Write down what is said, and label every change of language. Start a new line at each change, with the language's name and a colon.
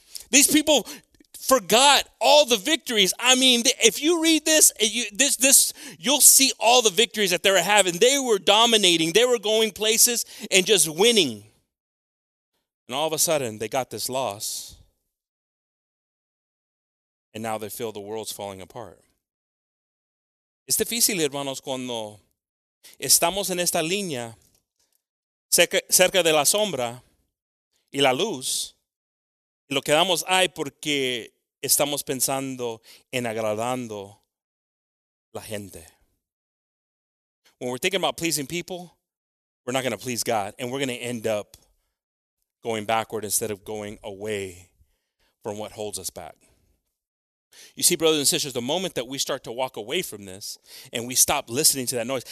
English: These people forgot all the victories. I mean, if you read this, you'll see all the victories that they were having. They were dominating. They were going places and just winning. And all of a sudden, they got this loss. And now they feel the world's falling apart.
Spanish: Es difícil, hermanos, cuando estamos en esta línea cerca de la sombra y la luz. Y lo quedamos ahí porque estamos pensando en agradando la gente.
English: When we're thinking about pleasing people, we're not going to please God. And we're going to end up going backward instead of going away from what holds us back. You see, brothers and sisters, the moment that we start to walk away from this and we stop listening to that noise.